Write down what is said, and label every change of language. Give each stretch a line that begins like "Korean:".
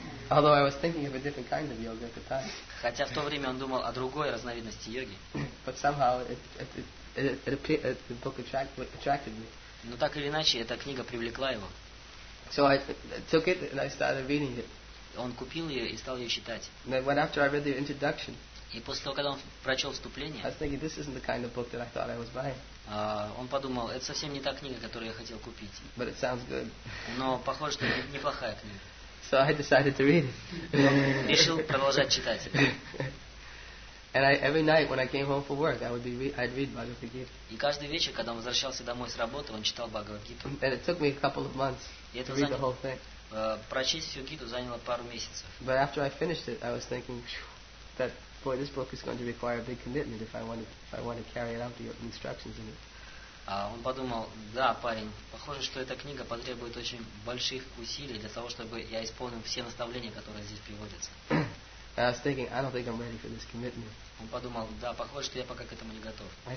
English: Although I was thinking of a different kind of yoga at the time.
Russian: Хотя в то время он думал о другой разновидности йоги.
English: But somehow the book attracted me.
Russian: Но так или иначе, эта книга привлекла его.
English: So I took it and I started reading it.
Russian: Он купил ее и стал ее читать.
English: And then after I read the introduction.
Russian: И после того, когда он прочел вступление,
English: kind of book that I thought I was buying.
Russian: Он подумал, это совсем не та книга, которую я хотел купить.
English: But it sounds good.
Russian: Но похоже, что это неплохая книга.
English: So I decided to read it.
Russian: Решил продолжать читать.
English: And every night when I came home from work, I'd read Bhagavad Gita.
Russian: И каждый вечер, когда он возвращался домой с работы, он читал Бхагавад Гиту.
English: And it took me a couple of months to read the whole thing.
Russian: Прочесть всю Гиту заняло пару месяцев.
English: But after I finished it, I was thinking that boy, this book is going to require a big commitment if I want to carry out the instructions in it.
Russian: Он подумал, да, парень, похоже, что эта книга потребует очень больших усилий для того, чтобы я исполнил все наставления, которые здесь приводятся.
English: I was thinking, I don't think I'm ready for this commitment.
Russian: Он подумал, да, похоже, что я пока к этому не готов.